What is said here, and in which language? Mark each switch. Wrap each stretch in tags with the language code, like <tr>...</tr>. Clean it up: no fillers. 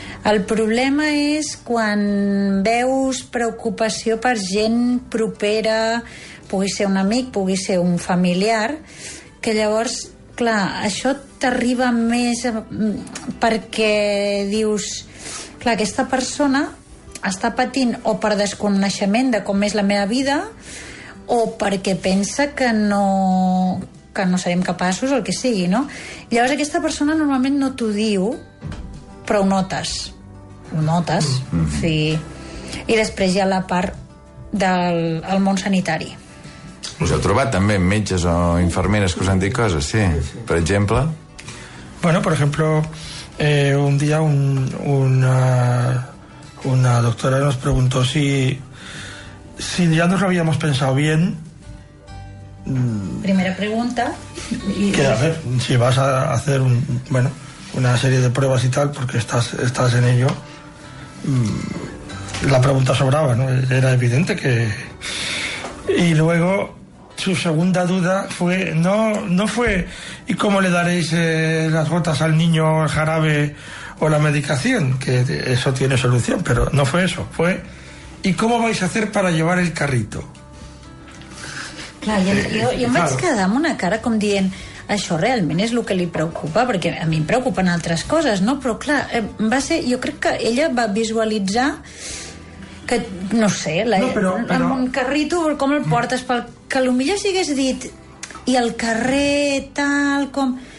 <ca>El problema és quan veus preocupació per gent propera, pugui ser un amic, pugui ser un familiar, que llavors, clar, això t'arriba més perquè dius, clar, aquesta persona està patint o per desconeixement de com és la meva vida o perquè pensa que no serem capaços, el que sigui, no? Llavors aquesta persona normalment no t'ho diu, però ho notes. Ho notes, sí. I després hi ha la part del món sanitari. Us heu trobat també metges o infermeres que us han dit coses, sí? Per exemple?</ca> <es>Bueno, por ejemplo, un dia una doctora nos preguntó si ya nos lo habíamos pensado bien. Primera pregunta. Que a ver, si vas a hacer una serie de pruebas y tal, porque estás en ello. La pregunta sobraba, ¿no? Era evidente que... Y luego su segunda duda fue, no fue, ¿y cómo le daréis las gotas al niño, el jarabe o la medicación, que eso tiene solución? Pero no fue eso, fue ¿y cómo vais a hacer para llevar el carrito?</es> <ca>Clar, jo em vaig quedar amb una cara com dient, això realment és el que li preocupa, perquè a mi em preocupen altres coses, no? Però clar, va ser, jo crec que ella va visualitzar que, no sé, amb un carrito, com el portes, que potser si hagués dit i el carrer tal com...</ca>